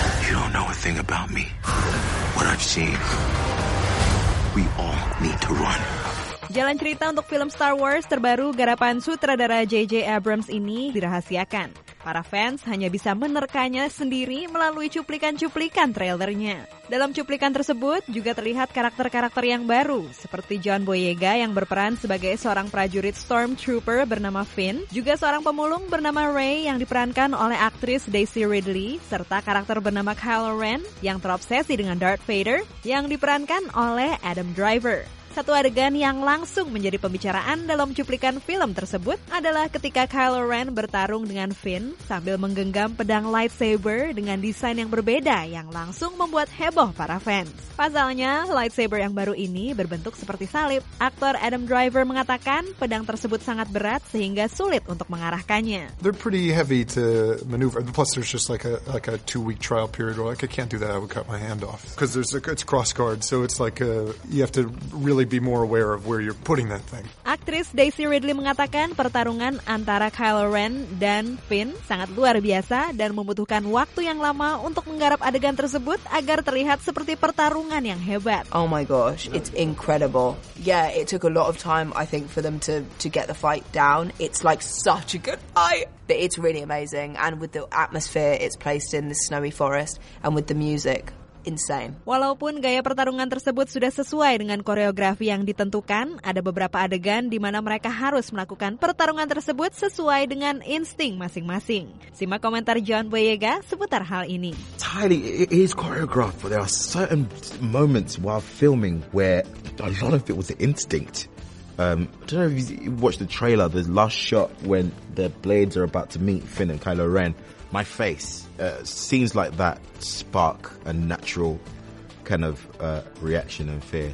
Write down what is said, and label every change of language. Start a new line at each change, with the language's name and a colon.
English: You don't know a thing about me. What I've seen, we all need to run.
Indonesian: Jalan cerita untuk film Star Wars terbaru garapan sutradara J.J. Abrams ini dirahasiakan. Para fans hanya bisa menerkanya sendiri melalui cuplikan-cuplikan trailernya. Dalam cuplikan tersebut juga terlihat karakter-karakter yang baru, seperti John Boyega yang berperan sebagai seorang prajurit Stormtrooper bernama Finn, juga seorang pemulung bernama Rey yang diperankan oleh aktris Daisy Ridley, serta karakter bernama Kylo Ren yang terobsesi dengan Darth Vader yang diperankan oleh Adam Driver. Satu adegan yang langsung menjadi pembicaraan dalam cuplikan film tersebut adalah ketika Kylo Ren bertarung dengan Finn sambil menggenggam pedang lightsaber dengan desain yang berbeda yang langsung membuat heboh para fans. Pasalnya, lightsaber yang baru ini berbentuk seperti salib. Aktor Adam Driver mengatakan pedang tersebut sangat berat sehingga sulit untuk mengarahkannya.
English: They're pretty heavy to maneuver. Plus there's just like a 2 week trial period where like I can't do that, I would cut my hand off. Because it's cross guard, so it's like you have to really be more aware of where you're putting that thing.
Indonesian: Aktris Daisy Ridley mengatakan pertarungan antara Kylo Ren dan Finn sangat luar biasa dan membutuhkan waktu yang lama untuk menggarap adegan tersebut agar terlihat seperti pertarungan yang hebat.
English: Oh my gosh, it's incredible. Yeah, it took a lot of time I think for them to get the fight down. It's like such a good fight. But it's really amazing, and with the atmosphere it's placed in the snowy forest and with the music. Insane.
Indonesian: Walaupun gaya pertarungan tersebut sudah sesuai dengan koreografi yang ditentukan, ada beberapa adegan di mana mereka harus melakukan pertarungan tersebut sesuai dengan insting masing-masing. Simak komentar John Boyega seputar hal ini.
English: Tidy, it is choreographed, but there are certain moments while filming where a lot of it was instinct. I don't know if you watched the trailer, the last shot when the blades are about to meet Finn and Kylo Ren. My face, scenes like that spark a natural kind of reaction and fear.